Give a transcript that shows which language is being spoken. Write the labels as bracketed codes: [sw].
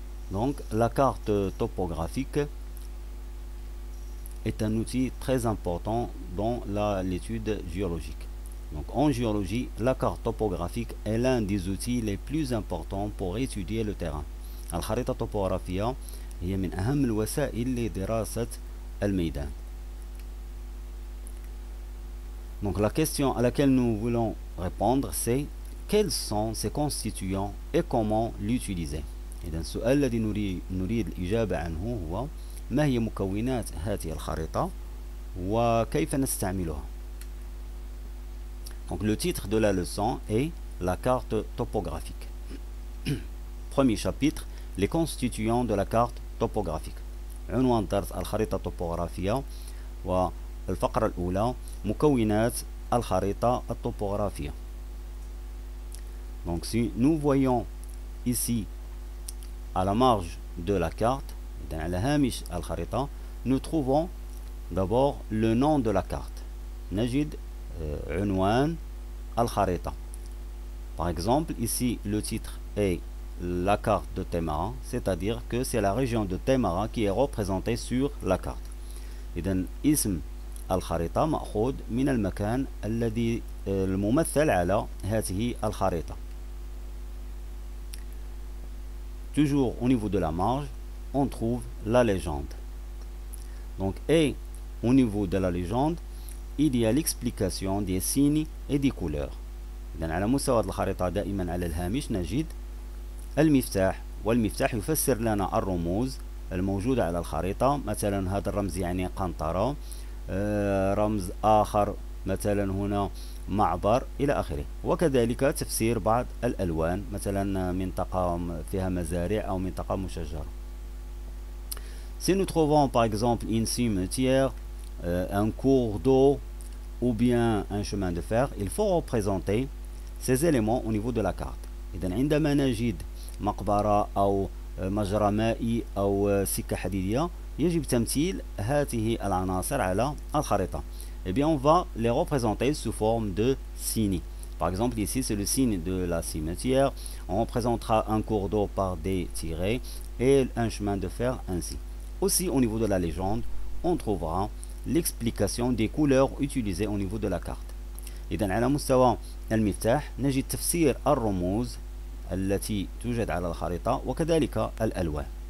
[fr] Donc, la carte topographique est un outil très important dans l'étude géologique. Donc, en géologie, la carte topographique est l'un des outils les plus importants pour étudier le terrain. [ar] Al-Kharita Topographia. هي من أهم الوسائل لدراسة الميدان. [fr] Donc la question à laquelle nous voulons répondre c'est quels sont ses constituants et comment l'utiliser. [ar] إذن السؤال الذي نريد الإجابة عنه هو ما هي مكونات هذه الخريطة وكيف نستعملها. [fr] Donc le titre de la leçon est la carte topographique. Premier chapitre, les constituants de la carte topographique. [ar] عنوان درس الخريطة الطوبوغرافية والفقرة الأولى مكونات الخريطة الطوبوغرافية. [fr] Donc si nous voyons ici à la marge de la carte, dans la [ar] هامش الخريطة, [fr] nous trouvons d'abord le nom de la carte. [ar] نجد عنوان الخريطة. [fr] Par exemple, ici le titre est la carte de Témara, c'est-à-dire que c'est la région de Témara qui est représentée sur la carte. [ar] إذن اسم الخريطة مأخوذ من المكان الذي الممثل على هذه الخريطة. [fr] Toujours au niveau de la marge, on trouve la légende. Donc, et au niveau de la légende, il y a l'explication des signes et des couleurs. [ar] إذن على مستوى الخريطة دائما على الهامش نجد المفتاح والمفتاح يفسر لنا الرموز الموجودة على الخريطة مثلا هذا الرمز يعني قنطرة رمز آخر مثلا هنا معبر إلى آخره وكذلك تفسير بعض الألوان مثلا منطقة فيها مزارع أو منطقة مشجرة. [fr] Si nous trouvons par exemple une cimetière, un cours d'eau ou bien un chemin de fer, il faut représenter ces éléments au niveau de la carte. [ar] إذن عندما نجد مقبرة أو مجرى مائي أو سكة حديدية يجب تمثيل هذه العناصر على الخريطة. [fr] Eh bien, on va les représenter sous forme de signes. Par exemple, ici, c'est le signe de la cimetière. On représentera un cours d'eau par des tirets et un chemin de fer ainsi. Aussi, au niveau de la légende, on trouvera l'explication des couleurs utilisées au niveau de la carte. Et dans le [ar] مستوى المفتاح, نجد تفسير الرموز التي توجد على الخريطة وكذلك الألوان.